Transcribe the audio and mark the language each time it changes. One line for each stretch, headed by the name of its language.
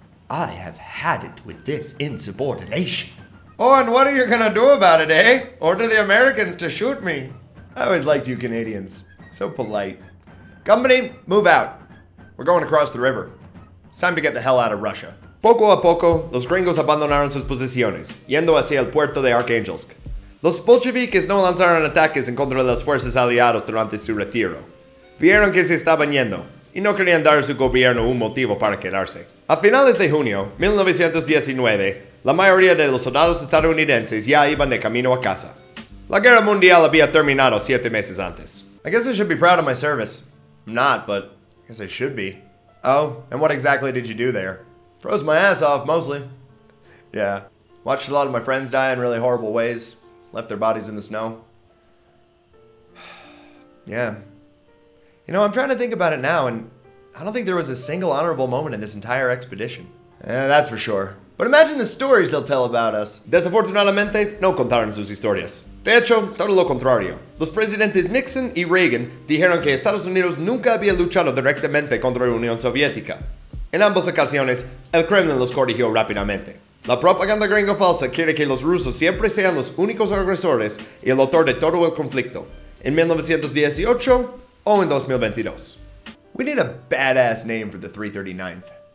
English: I have had it with this insubordination. Oh, and what are you gonna do about it, eh? Order the Americans to shoot me. I always liked you Canadians. So polite. Company, move out. We're going across the river. It's time to get the hell out of Russia.
Spanish: Poco a poco, los gringos abandonaron sus posiciones, yendo hacia el puerto de Arkhangelsk. Los bolcheviques no lanzaron ataques en contra de las fuerzas aliadas durante su retiro. vieron que se estaban yendo y no querían dar a su gobierno un motivo para quedarse. A finales de junio 1919, la mayoría de los soldados estadounidenses ya iban de camino a casa. La guerra mundial había terminado 7 meses antes.
English: I guess I should be proud of my service. I'm not, but I guess I should be. Oh, and what exactly did you do there? Froze my ass off, mostly. Yeah. Watched a lot of my friends die in really horrible ways. Left their bodies in the snow. Yeah. You know, I'm trying to think about it now, and I don't think there was a single honorable moment in this entire expedition. Yeah, that's for sure. But imagine the stories they'll tell about us.
Spanish: Desafortunadamente, no contaron sus historias. De hecho, todo lo contrario. Los presidentes Nixon y Reagan dijeron que Estados Unidos nunca había luchado directamente contra la Unión Soviética. En ambas ocasiones, el Kremlin los corrigió rápidamente. La propaganda gringo falsa quiere que los rusos siempre sean los únicos agresores y el autor de todo el conflicto, en 1918 o en 2022.
English: We need a badass name for the 339th.